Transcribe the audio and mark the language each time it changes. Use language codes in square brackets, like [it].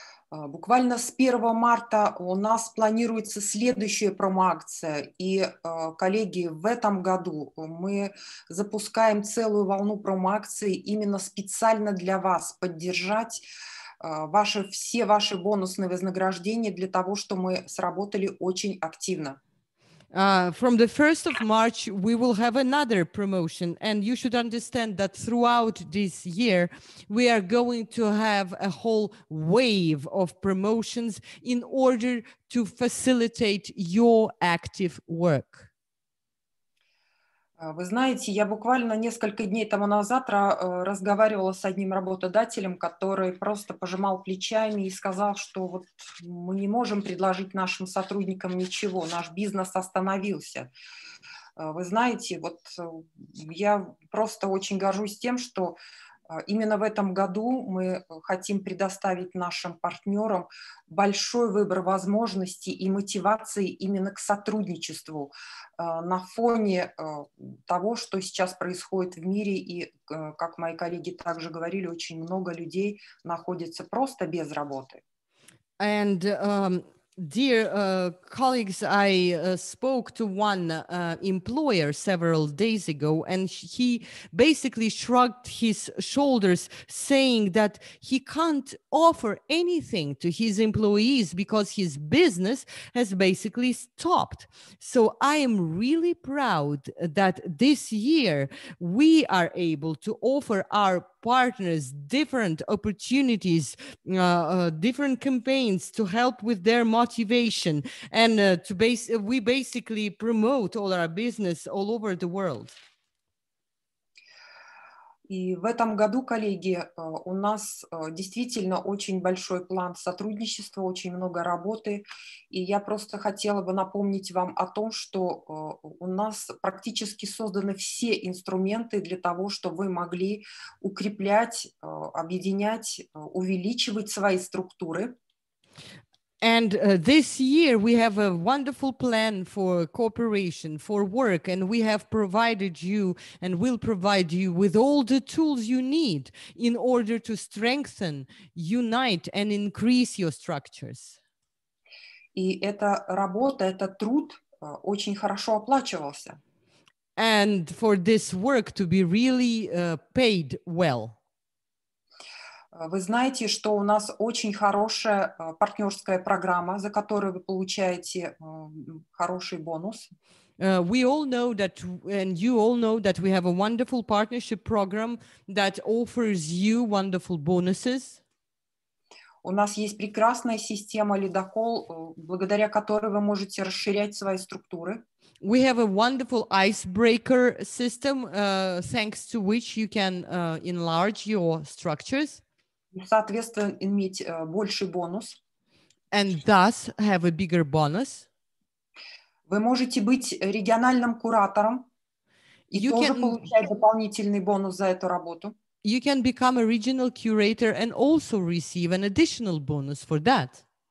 [ru] Буквально с 1 марта у нас планируется следующая промо-акция. И, коллеги, в этом году мы запускаем целую волну промо-акций именно специально для вас, поддержать все ваши бонусные вознаграждения для того, чтобы мы сработали очень активно. [en] From the 1st of March, we will have another promotion. And you should understand that throughout this year, we are going to have a whole wave of promotions in order to facilitate your active work. [ru] Вы знаете, я буквально несколько дней тому назад разговаривала с одним работодателем, который просто пожимал плечами и сказал, что вот мы не можем предложить нашим сотрудникам ничего, наш бизнес остановился. Вы знаете, вот я просто очень горжусь тем, что именно в этом году мы хотим предоставить нашим партнерам большой выбор возможностей и мотивации именно к сотрудничеству на фоне того, что сейчас происходит в мире. И, как мои коллеги также говорили, очень много людей находится просто без работы. [en] And, dear colleagues, I spoke to one employer several days ago, and he basically shrugged his shoulders, saying that he can't offer anything to his employees because his business has basically stopped. So I am really proud that this year we are able to offer our partners different opportunities, different campaigns to help with their motivation, and we basically promote all our business all over the world. [ru] И в этом году, коллеги, у нас действительно очень большой план сотрудничества, очень много работы. И я просто хотела бы напомнить вам о том, что у нас практически созданы все инструменты для того, чтобы вы могли укреплять, объединять, увеличивать свои структуры. [en] And this year we have a wonderful plan for cooperation, for work, and we have provided you and will provide you with all the tools you need in order to strengthen, unite and increase your structures. [ru] И эта работа, этот труд очень хорошо оплачивался. [en] And for this work to be really paid well. [ru] Вы знаете, что у нас очень хорошая партнерская программа, за которую вы получаете хороший бонус. [en] We all know that, and you all know that we have a wonderful partnership program that offers you wonderful bonuses. [ru] У нас есть прекрасная система Ледокол, благодаря которой вы можете расширять свои структуры. [en] We have a wonderful icebreaker system, thanks to which you can enlarge your structures. [ru] Соответственно, иметь больший бонус. [en] And thus have a bigger bonus. [ru] Вы можете быть региональным куратором и [en] you [ru] тоже [en] can... [ru] получать дополнительный бонус за эту работу. [en] You can become a regional curator and also receive an additional bonus for that.